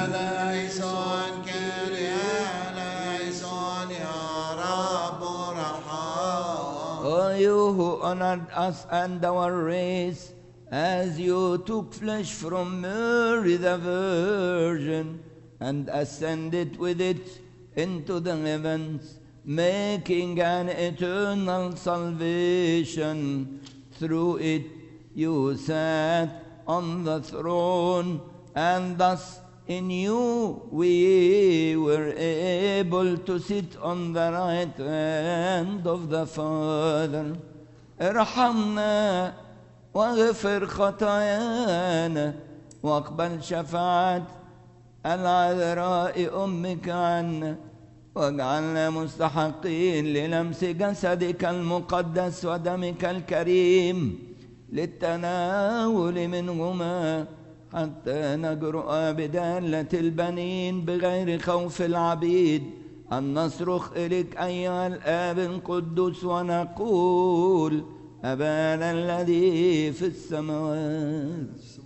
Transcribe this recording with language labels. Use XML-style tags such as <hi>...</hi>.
<el>كريا ليسون كريا ليسون</el> <ar>يا رب رحام.</ar> <en>You honored us and our race as you took flesh from Mary the Virgin and ascended with it into the heavens, making an eternal salvation. Through it you sat on the throne, and thus in you we were able to sit on the right hand of the Father.</en> <ar>ارحمنا واغفر خطايانا واقبل شفاعة العذراء أمك عنا واجعلنا مستحقين للمس جسدك المقدس ودمك الكريم للتناول منهما حتى نجرؤ بدالة البنين بغير خوف العبيد أن نصرخ إليك أيها الآب القدوس ونقول أبانا الذي في السماوات.</ar>